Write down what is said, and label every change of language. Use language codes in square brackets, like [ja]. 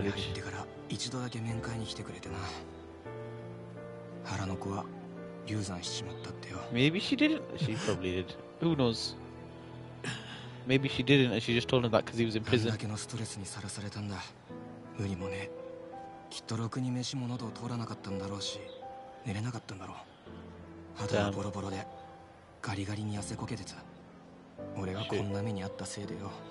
[ja] に入ってから一度だけ面会に来てくれてな。腹の子は流産しちまったってよ。 [en] Maybe she didn't. She probably did. Who knows? Maybe she didn't, and she just told him that because he was in prison. [ja] だけのストレスにさらされたんだ。無理もね。きっとろくに飯も喉を通らなかったんだろうし、寝れなかったんだろう。肌がボロボロで、ガリガリに痩せこけてた。俺がこんな目にあったせいでよ。